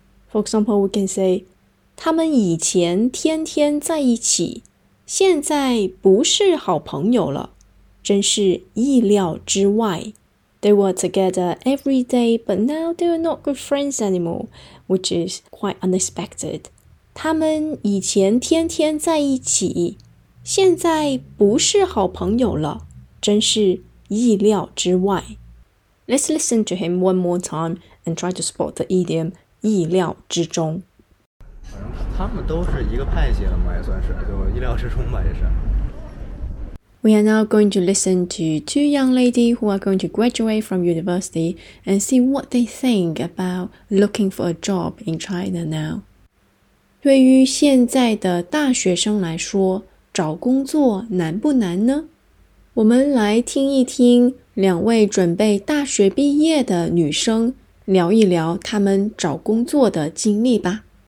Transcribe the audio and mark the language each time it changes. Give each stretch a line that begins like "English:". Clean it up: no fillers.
English: For example, we can say,
Chinese: 他们以前天天在一起,现在不是好朋友了,真是意料之外。
English: They were together every day, but now they are not good friends anymore, which is quite unexpected.
Chinese: 他们以前天天在一起,现在不是好朋友了,真是意料之外。
English: Let's listen to him one more time and try to spot the idiom.
Chinese: 意料之中，他们都是一个派系了嘛，也算是就意料之中吧，也是。
English: We are now going to listen to two young ladies who are going to graduate from university and see what they think about looking for a job in China now.
Chinese: 对于现在的大学生来说，找工作难不难呢？我们来听一听两位准备大学毕业的女生。聊一聊他们找工作的经历吧。